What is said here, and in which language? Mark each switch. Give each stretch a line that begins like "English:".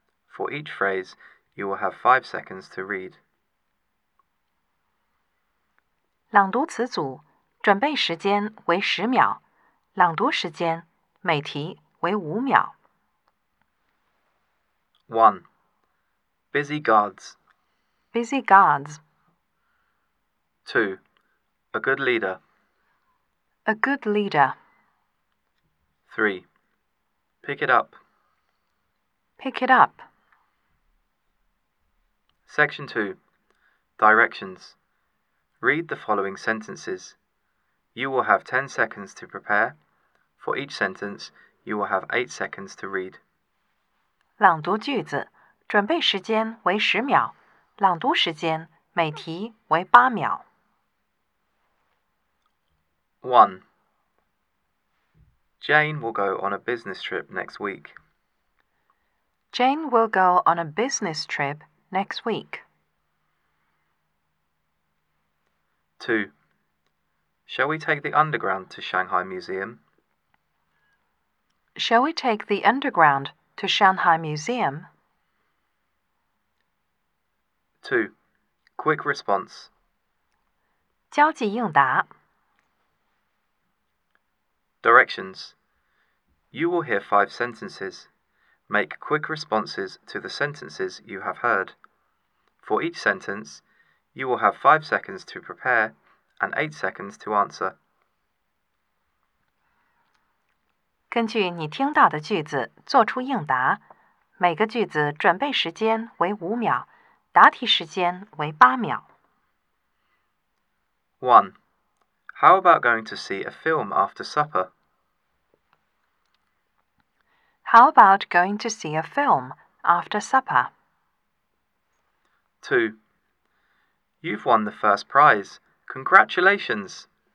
English: For each phrase, you will have 5 seconds to read.
Chinese: 朗读词组，准备时间为10秒，朗读时间每题为5秒。
English: 1. Busy guards. Busy guards. 2. A good leader. A good leader. 3. Pick it up. Pick it up. Section 2. Directions. Read the following sentences. You will have 10 seconds to prepare. For each sentence, you will have 8 seconds to read.
Chinese: 朗读句子，准备时间为10秒，朗读时间每题为8秒。
English: 1. Jane will go on a business trip next week. Jane will go on a business trip next week. 2. Shall we take the underground to Shanghai Museum? Shall we take the underground to Shanghai Museum? 2. Quick response.
Chinese: 交际应答。
English: Directions. You will hear 5 sentences. Make quick responses to the sentences you have heard. For each sentence, you will have 5 seconds to prepare and 8 seconds to answer.
Chinese: 根据你听到的句子做出应答，每个句子准备时间为5秒，答题时间为8秒。
English: 1. How about going to see a film after supper? How about going to see a film after supper? 2. You've won the first prize. Congratulations!